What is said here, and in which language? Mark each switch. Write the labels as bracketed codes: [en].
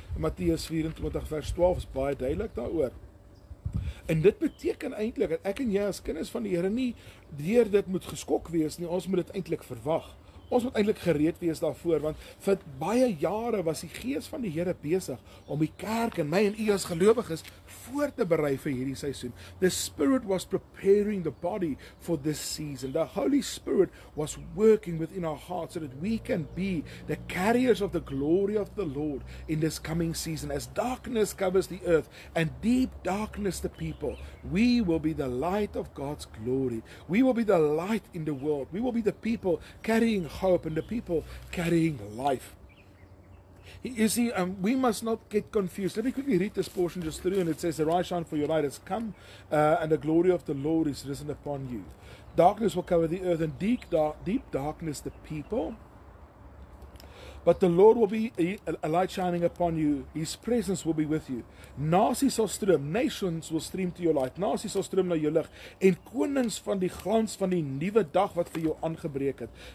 [af] In Matteus 24 vers 12 is baie duidelik daaroor. En dit beteken eintlik dat ek en jy as kinders van die Here nie deur dit moet geskok wees nie. Ons moet dit eintlik verwag. Ons moet eintlik gereed wees daarvoor, want vir baie jare was die gees van die Here besig om die kerk en my en u as gelowiges voor te berei vir hierdie seisoen. [en] The Spirit was preparing the body for this season. The Holy Spirit was working within our hearts so that we can be the carriers of the glory of the Lord in this coming season. As darkness covers the earth and deep darkness the people, we will be the light of God's glory. We will be the light in the world. We will be the people carrying hope and the people carrying life. You see, we must not get confused. Let me quickly read this portion just through, and it says, arise, shine, for your light has come, and the glory of the Lord is risen upon you. Darkness will cover the earth, and deep darkness the people. But the Lord will be a light shining upon you. His presence will be with you. [af] Nasies sal stroom, [en] nations will stream to your light. [af] Nasies sal stroom na jou lig. En konings van die glans van die nuwe dag wat vir jou aangebreek het.